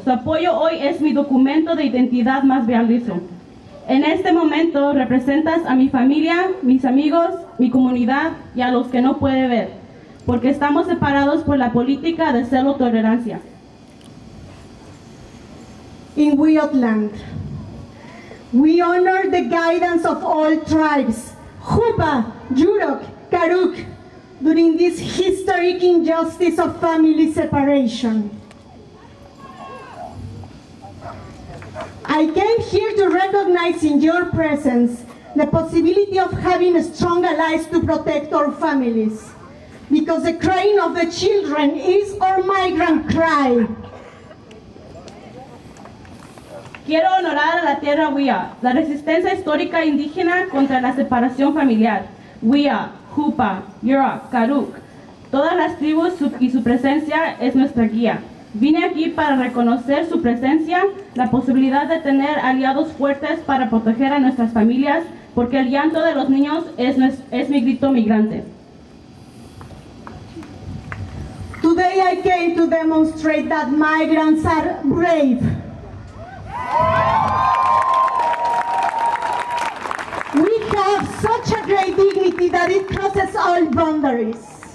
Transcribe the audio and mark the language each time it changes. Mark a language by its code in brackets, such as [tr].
[es] Su apoyo hoy es mi documento de identidad más valioso. En este momento representas a mi familia, mis amigos, mi comunidad y a los que no puede ver, porque estamos separados por la política de cero tolerancia. [en] In Huiotland, we honor the guidance of all tribes, Jupa, Yurok, Karuk, during this historic injustice of family separation. I came here to recognize in your presence the possibility of having strong allies to protect our families, because the crying of the children is our migrant cry. [es] Quiero honorar a la tierra Wia, la resistencia histórica indígena contra la separación familiar. Wia, Jupa, Yurok, Karuk, todas las tribus y su presencia es nuestra guía. Vine aquí para reconocer su presencia, la posibilidad de tener aliados fuertes para proteger a nuestras familias, porque el llanto de los niños es mi grito migrante. [en] Today I came to demonstrate that migrants are brave. We have such a great dignity that it crosses all boundaries.